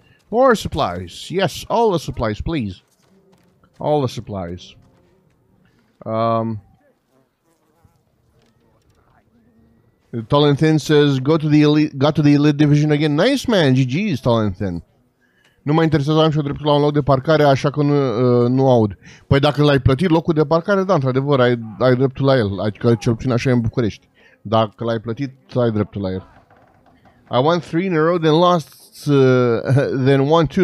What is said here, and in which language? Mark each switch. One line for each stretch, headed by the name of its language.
English: More supplies. Yes, all the supplies, please. All the supplies. Tall and Thin says, got to the elite division again. Nice, man. GG's, Tall and Thin.
Romanian: Nu mă interesează, am și-o dreptul la un loc de parcare, așa că nu aud. Păi dacă l-ai plătit locul de parcare, da, într-adevăr, ai dreptul la el. Adică cel puțin așa e în București. Dacă l-ai plătit, ai dreptul la el.
English: I won 3 in a row, then lost, then won 2.